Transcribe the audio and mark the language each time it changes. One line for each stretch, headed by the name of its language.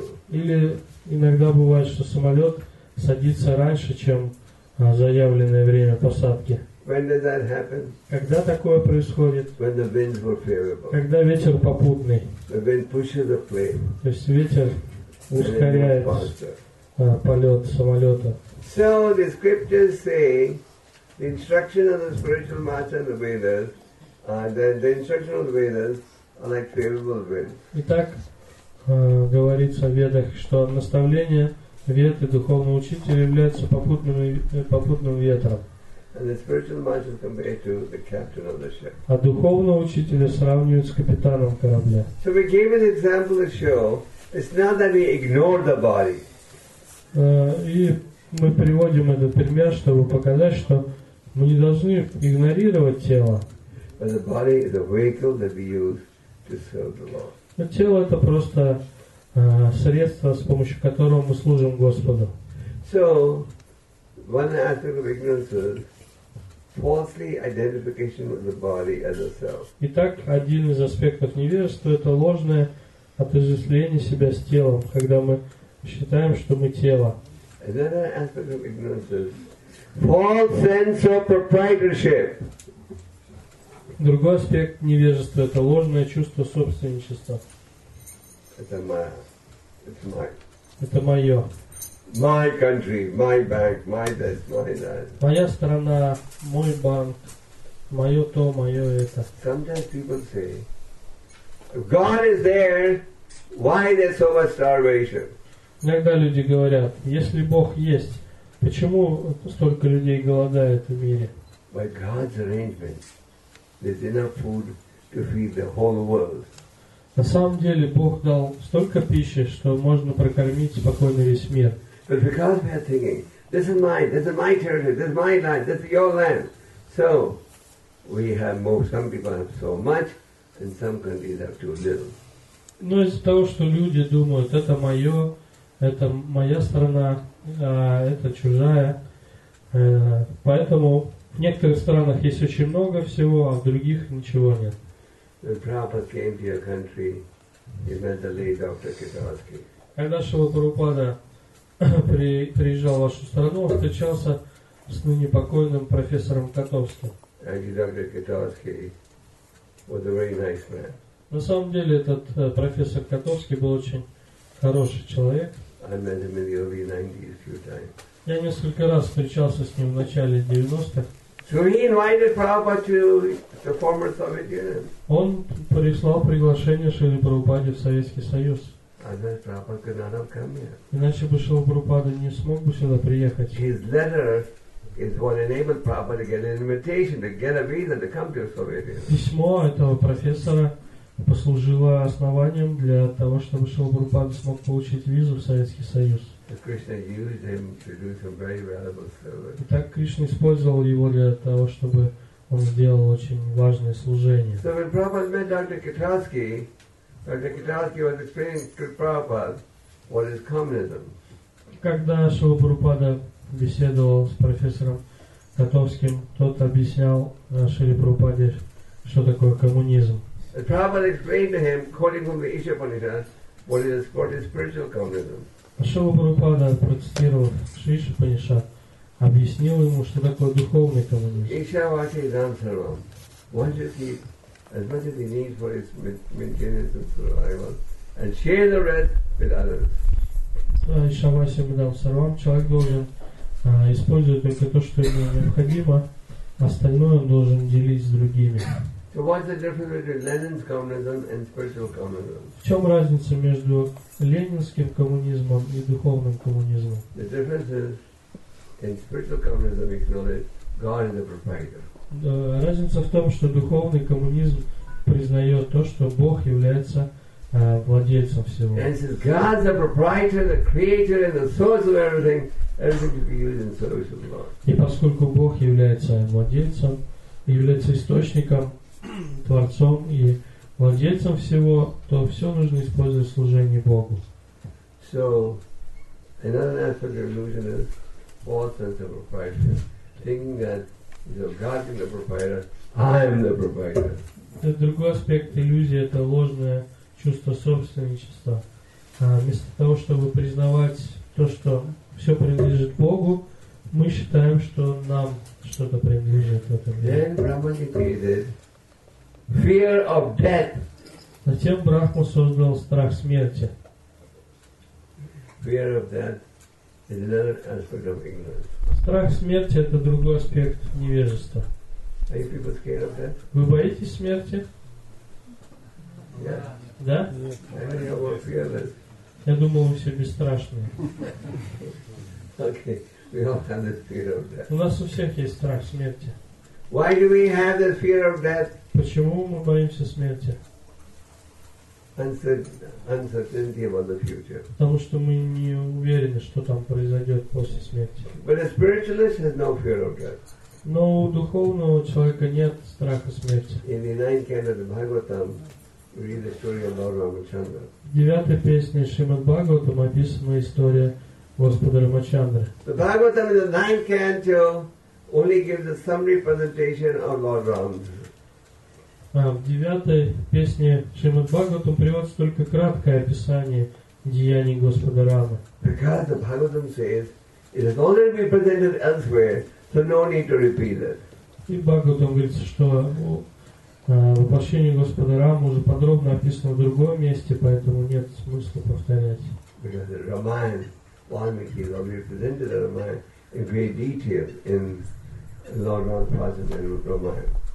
Russian: Или иногда бывает, что самолет садится раньше, чем заявленное время посадки.
English: When does that happen?
Russian: Когда такое происходит?
English: When the winds were favorable.
Russian: Когда ветер попутный.
English: The wind pushes the plane.
Russian: То есть ветер ускоряет полет самолета.
English: So the scriptures say the instructions of the spiritual master and the Vedas, the instructions of the Vedas are like favorable winds.
Russian: Итак, говорится в Ведах, что наставления Веды духовного учителя являются попутным ветром.
English: And the spiritual master is compared to the captain of the ship.
Russian: А духовного учителя сравнивают с капитаном корабля.
English: So we gave an example to show it's not that we ignore the body.
Russian: И мы приводим этот пример, чтобы показать, что мы не должны игнорировать тело.
English: But the body is a vehicle that we use to serve the Lord.
Russian: Но тело это просто средство, с помощью которого мы служим Господу. So one aspect of ignorance is falsely identification with the body as a self. Итак, один из аспектов невежества – это ложное отождествление себя с телом, когда мы считаем, что мы тело. Another aspect of ignorance is false sense of proprietorship. Другой аспект невежества – это ложное чувство собственничества. Это мое.
English: My country, my bank, my this, my that.
Russian: Моя страна, мой банк, мое то, мое это.
English: Sometimes people say, God is there, why is there so much starvation?
Russian: Иногда люди говорят, если Бог есть, почему столько людей голодает в мире?
English: By God's arrangement, there's enough food to feed the whole world.
Russian: На самом деле Бог дал столько пищи, что можно прокормить спокойно весь мир.
English: But because we are thinking, this is my territory, this is my land, this is your land. So we have more, some people have so much, and some countries have too little.
Russian: Но из-за того, что люди думают, это мое, это моя страна, а это чужая. Поэтому в некоторых странах есть очень много всего, а в других ничего нет.
English: When Prabhupada came to your country, he met the late Dr. Kitarsky.
Russian: Когда Шрила Прабхупада приезжал в вашу страну, он встречался с ныне покойным профессором Котовским.
English: Actually, Dr. Kitarsky was a very nice man.
Russian: На самом деле этот профессор Котовский был очень хороший человек.
English: I met him in the early 90s a few times.
Russian: Я несколько раз встречался с ним в начале 90-х.
English: So he invited Prabhupada to the former Soviet Union.
Russian: Он прислал приглашение Шриле Прабхупаде в Советский Союз.
English: Otherwise, Prabhupada could not have come here.
Russian: Иначе бы Шрила Прабхупада не смог бы сюда приехать.
English: His letter is what enabled Prabhupada to get an invitation, to get a visa to come to the Soviet Union.
Russian: Письмо этого профессора послужило основанием для того, чтобы Шрила Прабхупада смог получить визу в Советский Союз. Итак, Кришна использовал его для того, чтобы он сделал очень важное служение.
English: So when Prabhupada met Dr. Katarsky was explaining to Prabhupada what is communism.
Russian: Когда Шрила Прабхупада беседовал с профессором Котовским, тот объяснял Шриле Прабхупаде, что такое коммунизм.
English: And Prabhupada explained to him, quoting from the Ishapanishads, what is spiritual communism.
Russian: Шрила Прабхупада, процитировав Шишу Панишат, объяснил ему, что такое духовный коммунизм.
Sanskrit: Ишавати Дансарвам.
English: Once you keep as much as he needs for his maintenance and survival, and share the rest with others.
Sanskrit: Ишавати Дансарвам.
Russian: Человек должен использовать только то, что ему необходимо, остальное он должен делить с другими.
English: So what's the difference between Lenin's communism and spiritual communism?
Russian: В чем разница между ленинским коммунизмом и духовным коммунизмом?
English: The difference is in spiritual communism, we know that God is the proprietor.
Russian: Разница в том, что духовный коммунизм признает то, что Бог является владельцем всего.
English: And since God is the proprietor, the creator, and the source of everything, everything can be used in service of God.
Russian: И поскольку Бог является владельцем, является источником, творцом и владельцем всего, то все нужно использовать в служении Богу.
English: So, another aspect of illusion is false sense of propriety, thinking that God is the proprietor, I am the proprietor.
Russian: Другой аспект иллюзии — это ложное чувство собственничества. Вместо того, чтобы признавать то, что все принадлежит Богу, мы считаем, что нам что-то принадлежит в этом мире.
English: Fear of death.
Russian: Затем Брахма создал страх смерти.
English: Fear of death is another aspect of ignorance.
Russian: Страх смерти — это другой аспект невежества.
English: Are you people scared of death?
Russian: Вы боитесь смерти?
English: Yeah.
Russian: Да?
English: Yeah. I don't know what fear is.
Russian: Я думал, вы все бесстрашные.
English: Okay. We all have this fear of death.
Russian: У нас у всех есть страх смерти.
English: Why do we have this fear of death?
Russian: Почему мы боимся смерти?
English: Uncertainty about the future.
Russian: Потому что мы не уверены, что там произойдет после смерти.
English: But a spiritualist has no fear of death.
Russian: Но у духовного человека нет страха смерти.
English: In the ninth canto of the Bhagavatam, we read the story of Lord Ramachandra.
Russian: В девятой песне Шримад Бхагаватам описана история Господа Рамачандры.
English: The Bhagavatam in the ninth canto only gives a summary presentation of Lord Ram.
Russian: В девятой песне Шримад Бхагаватам приводится только краткое описание деяний Господа Рамы.
English: Because the Bhagavatam says it has already been presented elsewhere, so no need to repeat it.
Russian: И Бхагаватам говорит, что воплощение Господа Рамы уже подробно описано в другом месте, поэтому нет смысла повторять.
English: Because Ramayana, Valmiki, is already presented in Ramayana in great detail in Lord Ram's presentation of Ramayana.